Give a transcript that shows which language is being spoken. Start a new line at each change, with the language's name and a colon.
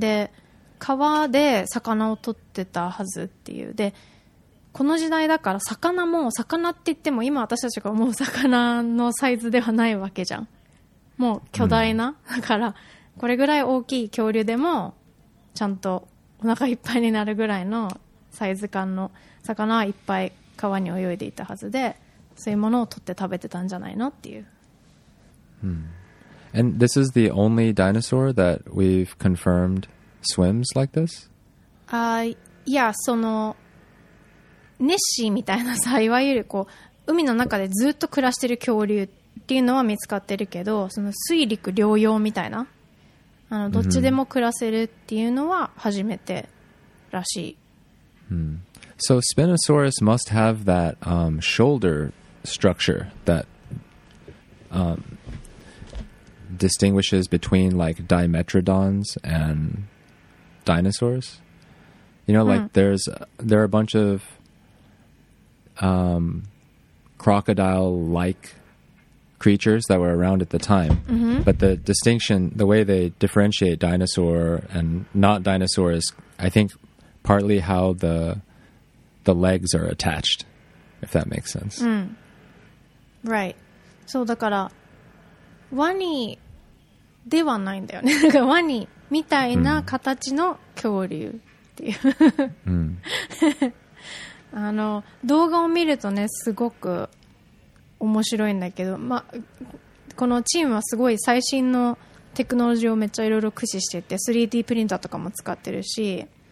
Japanese: で川で魚を取ってたはずっていうでこの時代だから魚も魚って言っても今私たちが思う魚のサイズではないわけじゃんもう巨大な、うん、だからこれぐらい大きい恐竜でもちゃんとお腹いっぱいになるぐらいのサイズ感の魚はいっぱい川に泳いでいたはずでそういうものを取って食べてたんじゃないのっていう、 hmm.
English: And this is the only dinosaur that we've confirmed swims like this?
Japanese: Yeah, そのネッシーみたいなさいわゆるこう海の中でずっと暮らしてる恐竜っていうのは見つかってるけどその水陸両用みたいなあのどっちでも暮らせるっていうのは初めてらしい、 hmm.
English: So Spinosaurus must have that shoulder structure that distinguishes between like dimetrodons and dinosaurs. You know, like there are a bunch of crocodile-like creatures that were around at the time. Mm-hmm. But the distinction, the way they differentiate dinosaur and not dinosaur is, I think, partly how the legs are attached, if that makes sense.
Japanese: Right. そうだからワニではないんだよね。なんかワニみたいな形の恐竜っていう、うん、あの動画を見るとねすごく面白いんだけど、ま、このチームはすごい最新のテクノロジーをめっちゃいろいろ駆使してて 3D プリンターとかも使ってるし、